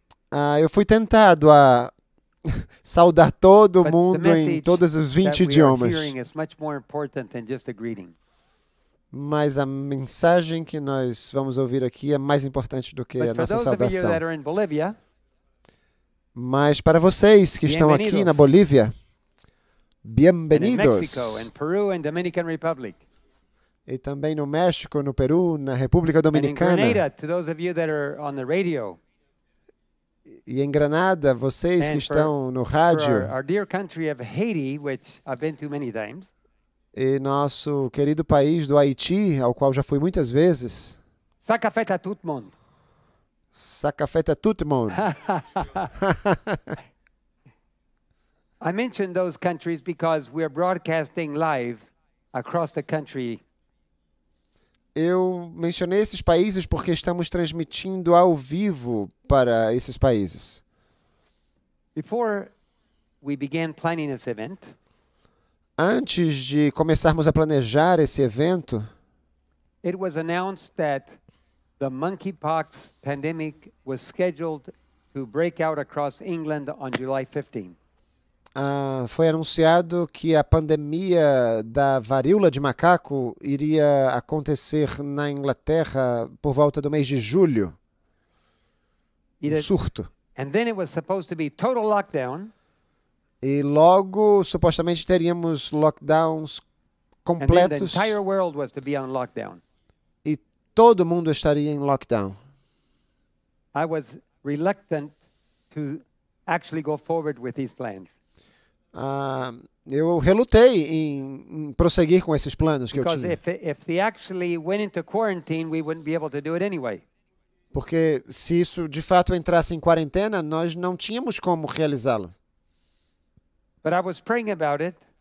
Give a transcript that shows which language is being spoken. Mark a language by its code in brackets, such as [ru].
[pt] Ah, eu fui tentado a saudar todo mundo em todos os 20 idiomas. [en] Is much more important than just a greeting. [pt] Mas a mensagem que nós vamos ouvir aqui é mais importante do que [en] But [pt] a nossa saudação. [en] That are in Bolivia, [pt] mas para vocês que estão aqui na Bolívia, bem-vindos. [en] And in Mexico, in Peru, and Dominican Republic. [pt] E também no México, no Peru, na República Dominicana. [en] And in Grenada, to those of you that are on the radio. [pt] E em Granada, vocês [en] and [pt] que estão no rádio. [en] Our dear country of Haiti, which I've been to many times. [pt] E nosso querido país do Haiti, ao qual já fui muitas vezes. [ht] Saca feta tout monde. Saca feta tout monde. [en] I mentioned those countries because we are broadcasting live across the country. [pt] Eu mencionei esses países porque estamos transmitindo ao vivo para esses países. [en] Before we began planning this event, [pt] antes de começarmos a planejar esse evento, [en] it was announced that the monkeypox pandemic was scheduled to break out across England on July 15. [pt] Foi anunciado que a pandemia da varíola de macaco iria acontecer na Inglaterra por volta do mês de julho. Surto. [en] And then it was supposed to be total lockdown. [pt] E logo supostamente teríamos lockdowns completos. [en] And then the entire world was to be on lockdown. [pt] E todo mundo estaria em lockdown. [en] I was reluctant to actually go forward with these plans. [pt] Eu relutei em prosseguir com esses planos que [en] Because [pt] eu tinha. [en] If they actually went into quarantine, we wouldn't be able to do it anyway. [pt] Porque se isso de fato entrasse em quarentena, nós não tínhamos como realizá-lo. [en] But I was praying about it.